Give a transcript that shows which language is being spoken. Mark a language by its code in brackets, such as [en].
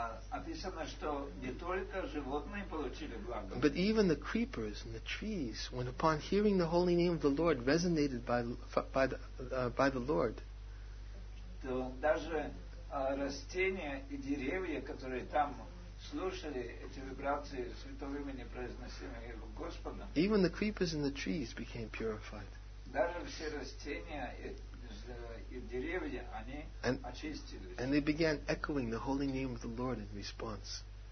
[ru] описано, что не только животные получили благо. [en] But even the creepers and the trees, when upon hearing the holy name of the Lord, resonated by the Lord. [ru] То даже растения и деревья, которые там слушали эти вибрации святого имени, произносимые Господом. [en] Even the creepers and the trees became purified. [ru] Даже все растения и деревья, они очистились. [en] And they began echoing the holy name of the Lord in response.